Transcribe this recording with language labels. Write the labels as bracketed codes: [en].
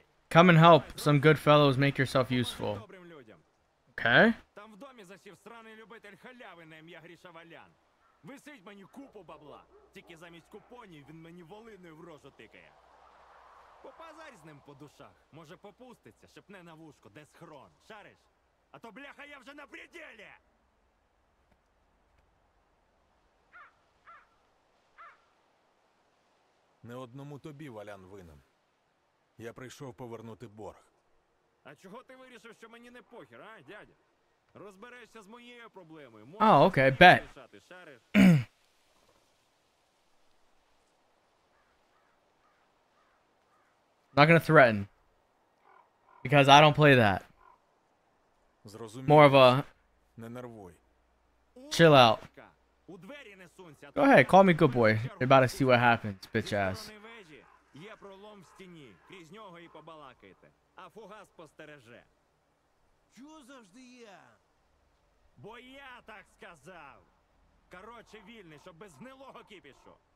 [en] Come and help some good fellows, make yourself useful. Okay. [uk] Там в домі засів сраний любитель халяви на ім'я Гріша Валян. Висить мені купу бабла, тільки замість купонів він мені волиною в рожу тикає. Попазарь з ним по душах, може попуститься, шепне на вушко, де схрон, шариш? А то бляха, я вже на пределі! Не одному тобі, Валян, винен. Я прийшов повернути борг. А чого ти вирішив, що мені не похер, а, дядя? Розберешся з моєю проблемою. [en] О, окей, бет. Not gonna threaten. Because I don't play that. [uk] Зрозумів. [en] More of a... [uk] Не нервуй. [en] Chill out. [uk] У двері не сонця. [en] Go ahead, call me good boy. You're about to see what happens, bitch ass. [uk] Є пролом в стіні. Крізь нього і побалакайте. А фугас постереже. Чого завжди я? Бо я так сказав. Короче, вільний, щоб без гнилого кипішу.